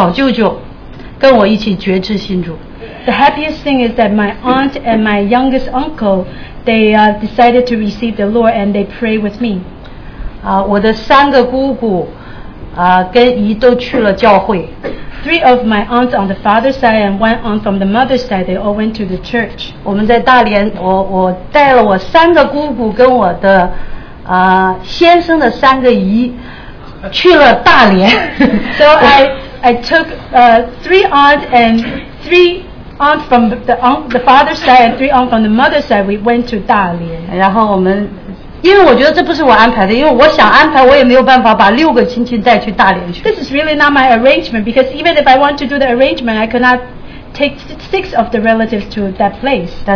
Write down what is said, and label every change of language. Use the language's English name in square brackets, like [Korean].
[Chinese] 真的我看到他们，然后我最开心的是我的姑姑跟我的小舅舅跟我一起决志信主。 [English] The happiest thing is that my aunt and my youngest uncle, they decided to receive the Lord and they pray with me. [Chinese] 我的三个姑姑跟姨都去了教会。 [English] Three of my aunts on the father's side and one aunt from the mother's side, they all went to the church. [Chinese] 我们在大连, 我带了我三个姑姑跟我的先生的三个姨去了大连。 [English] So I took three aunts and three aunts from the father's side and three aunts from the mother's side, we went to 大连。 [Chinese] 然后我们, 因为我觉得这不是我安排的，因为我想安排，我也没有办法把六个亲戚带去大连去。 [English] This is really not my arrangement, because even if I want to do the arrangement, I cannot take six of the relatives to that place.